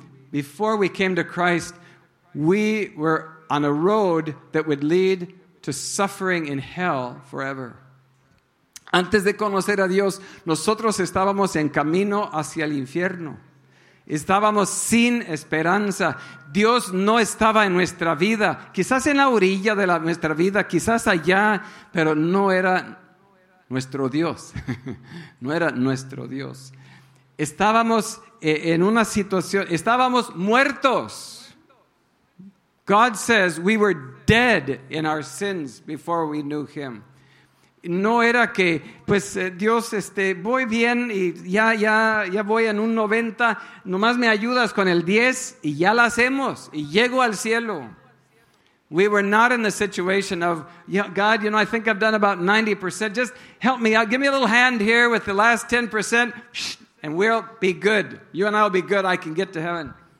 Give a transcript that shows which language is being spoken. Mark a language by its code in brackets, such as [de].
[en] Before we came to Christ, we were on a road that would lead to suffering in hell forever. [es] Antes de conocer a Dios, nosotros estábamos en camino hacia el infierno. Estábamos sin esperanza. Dios no estaba en nuestra vida. Quizás en la orilla de nuestra vida, quizás allá, pero no era nuestro Dios. No era nuestro Dios. Estábamos en una situación, estábamos muertos. [en] God says we were dead in our sins before we knew him. [es] No era que, pues Dios, voy bien y ya voy en un 90, nomás me ayudas con el 10 y ya la hacemos y llego al cielo. [en] We were not in the situation of, God, I think I've done about 90%, just help me out, give me a little hand here with the last 10%, and we'll be good. You and I will be good, I can get to heaven.